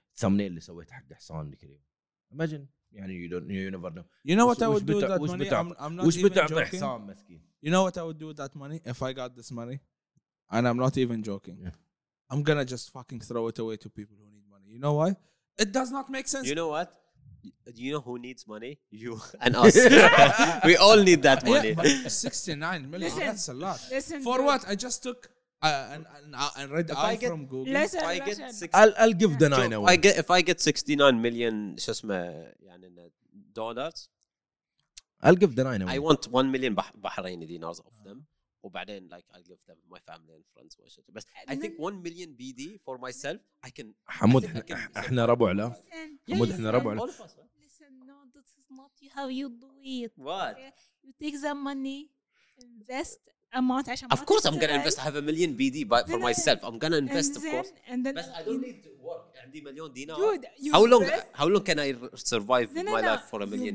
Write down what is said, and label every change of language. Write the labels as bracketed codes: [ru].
[ar] الثمنيل اللي سويت حق حسان الكريم. [en] Imagine. يعني you never know. You know what I would do with that money? I'm not even joking. You know what I would do with that money if I got this money? And I'm not even joking. Yeah. I'm gonna just fucking throw it away to people who need money. You know why? It does not make sense. You know what? You know who needs money? You and us. We all need that money. Yeah, 69 million, listen, that's a lot. Listen, for dude. What? I just took and read if I get, from Google. Listen, I get I'll give the 9 away. If I get 69 million, shasma. Dollars. I'll give the 9 away. I want 1 million Bahraini dinars of them. Or then, like, I'll give them my family and friends. But and I think 1 million BD for myself, I can. [ar] Hamoud, إحنا ربع لا. Hamoud, إحنا ربع لا. [en] Listen, no, this is not how you do it. What? You take the money, invest amount. Of course, I'm gonna invest. I have 1 million BD, but for myself, I'm gonna invest. Then, of course. And then. But I don't need to. Dude, how long can I survive my life for a million?